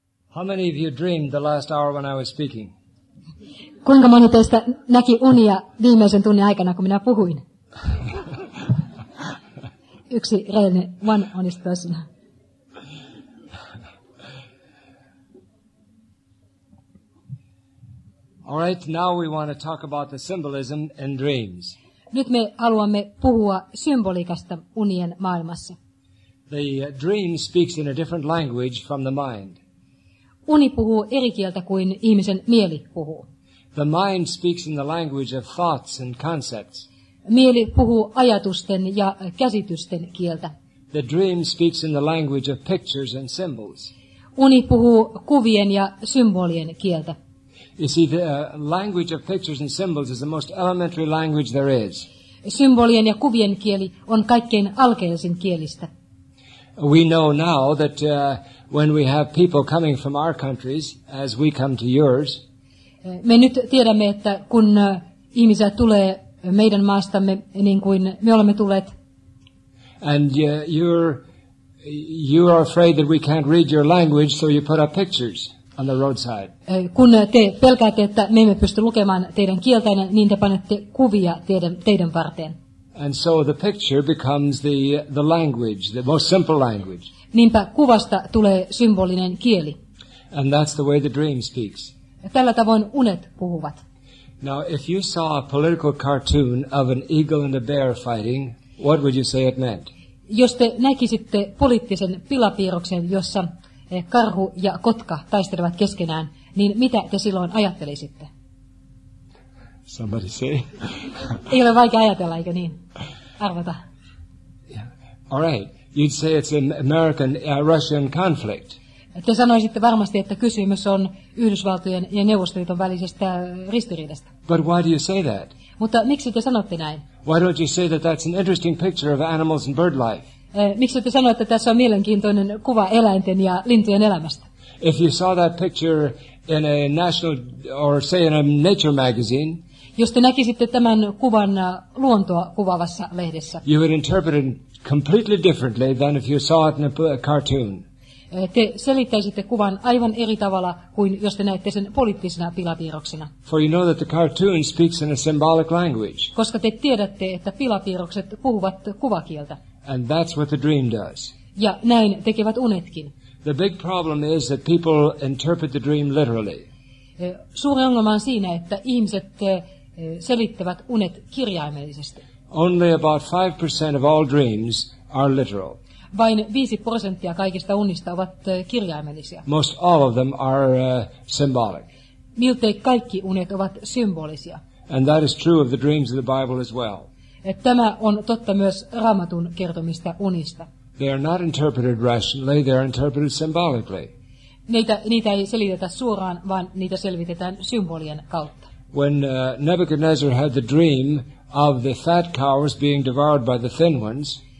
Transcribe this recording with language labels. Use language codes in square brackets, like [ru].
[en] How many of you dreamed the last hour when I was speaking? [fi] Kuinka moni teistä näki unia viimeisen tunnin aikana, kun minä puhuin? Yksi reilinen, [en] one honest person. All right, now we want to talk about the symbolism in dreams. [fi] Nyt me haluamme puhua symboliikasta unien maailmassa. [en] The dream speaks in a different language from the mind. [fi] Uni puhuu eri kieltä kuin ihmisen mieli puhuu. [en] The mind speaks in the language of thoughts and concepts. [fi] Mieli puhuu ajatusten ja käsitysten kieltä. [en] The dream speaks in the language of pictures and symbols. [fi] Uni puhuu kuvien ja symbolien kieltä. [en] You see, the language of pictures and symbols is the most elementary language there is. [fi] Symbolien ja kuvien kieli on kaikkein alkeellisin kielistä. [en] We know now that when we have people coming from our countries, as we come to yours, [fi] me nyt tiedämme, että kun ihmisiä tulee meidän maastamme, niin kuin me olemme tulleet. [en] And you're afraid that we can't read your language, so you put up pictures on the roadside. [fi] Kun te pelkäätte, että me emme pysty lukemaan teidän kieltänne, niin te panette kuvia teidän varteen. [en] And so the picture becomes the language, the most simple language. [fi] Niinpä kuvasta tulee symbolinen kieli. [en] And that's the way the dream speaks. [fi] Tällä tavoin unet puhuvat. [en] Now, if you saw a political cartoon of an eagle and a bear fighting, what would you say it meant? [fi] Jos te näkisitte poliittisen pilapiirroksen, jossa karhu ja kotka taistelevat keskenään, niin mitä te silloin ajattelisitte? [en] Somebody say. [fi] Ei ole vaikea ajatella, eikö niin? Arvata. [en] Yeah. All right. You'd say it's an American Russian conflict. [fi] Te sanoisitte varmasti, että kysymys on Yhdysvaltojen ja Neuvostoliiton välisestä ristiriidasta. [en] But why do you say that? [fi] Mutta miksi te sanotte näin? [en] Why don't you say that that's an interesting picture of animals and bird life? [fi] Miksi te sanoitte, että tässä on mielenkiintoinen kuva eläinten ja lintujen elämästä? [en] If you saw that picture in a national or say in a nature magazine, [fi] jos te näkisitte tämän kuvan luontoa kuvaavassa lehdessä, [en] you would interpret it completely differently than if you saw it in a cartoon. [fi] Te selittäisitte kuvan aivan eri tavalla kuin jos te näette sen poliittisena pilapiirroksena. [en] For you know that the cartoon speaks in a symbolic language. [fi] Koska te tiedätte, että pilapiirrokset puhuvat kuvakieltä. [en] And that's what the dream does. [fi] Ja näin tekevät unetkin. [en] The big problem is that people interpret the dream literally. [fi] Suuri ongelma on siinä, että ihmiset selittävät unet kirjaimellisesti. [en] Only about 5% of all dreams are literal. [fi] Vain 5% kaikista unista ovat kirjaimellisia. [en] Most all of them are symbolic. [fi] Miltei kaikki unet ovat symbolisia. [en] And that is true of the dreams of the Bible as well. [fi] Tämä on totta myös Raamatun kertomista unista. [en] They are not interpreted rationally, they are interpreted symbolically. [fi] Niitä ei selitetä suoraan, vaan niitä selvitetään symbolien kautta. [en] When Nebuchadnezzar had the dream of the fat cows being devoured by the thin ones,